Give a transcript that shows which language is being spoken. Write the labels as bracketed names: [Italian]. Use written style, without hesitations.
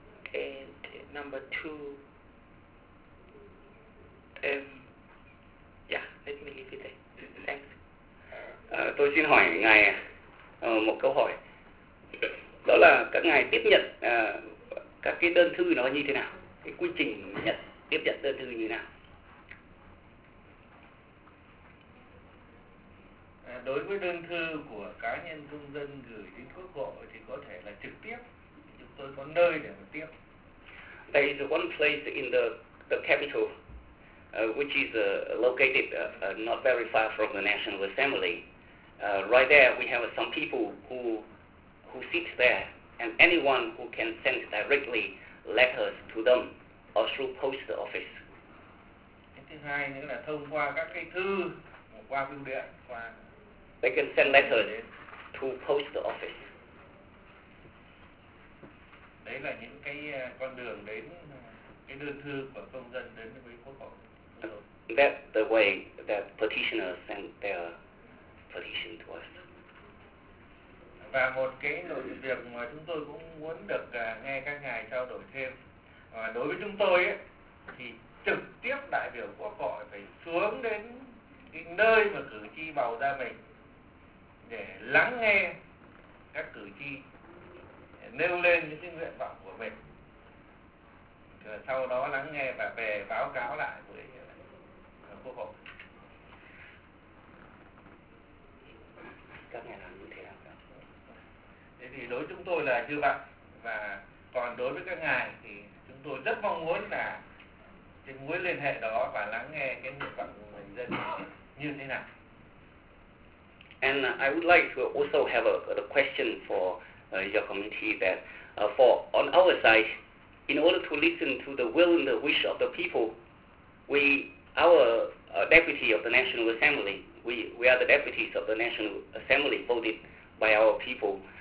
[English] And number two, let me leave it there. Thanks. [Vietnamese] Tôi xin hỏi ngài một câu hỏi. Đó là các ngài tiếp nhận các cái đơn thư nó như thế nào, cái quy trình nhận tiếp nhận đơn thư như thế nào? Đối với đơn thư của cá nhân công dân gửi đến quốc hội thì có thể là trực tiếp, chúng tôi có nơi để mà tiếp. [English] There is one place in the capital, which is located not very far from the National Assembly. Right there, we have some people who sit there, and anyone who can send directly letters to them or through post office. [Vietnamese] Thứ hai nữa là thông qua các cái thư, qua bưu điện, qua [English] They can send letters to post office. [Vietnamese] Đấy là những cái con đường đến cái đơn thư của công dân đến với quốc hội. [English] That the way that petitioners send their petition to us. [Vietnamese] Và một cái nội dung việc mà chúng tôi cũng muốn được nghe các ngài trao đổi thêm. Và đối với chúng tôi ấy, thì trực tiếp đại biểu quốc hội phải xuống đến cái nơi mà cử tri bầu ra mình để lắng nghe các cử tri nêu lên những cái nguyện vọng của mình. Rồi sau đó lắng nghe và về báo cáo lại với quốc hội. Các ngài làm như thế nào? Thế thì đối với chúng tôi là như vậy. Và còn đối với các ngài thì chúng tôi rất mong muốn là cái mối liên hệ đó và lắng nghe cái nguyện vọng của người dân như thế nào. [English] And I would like to also have a question for your committee that for on our side, in order to listen to the will and the wish of the people, our deputy of the National Assembly, we are the deputies of the National Assembly voted by our people.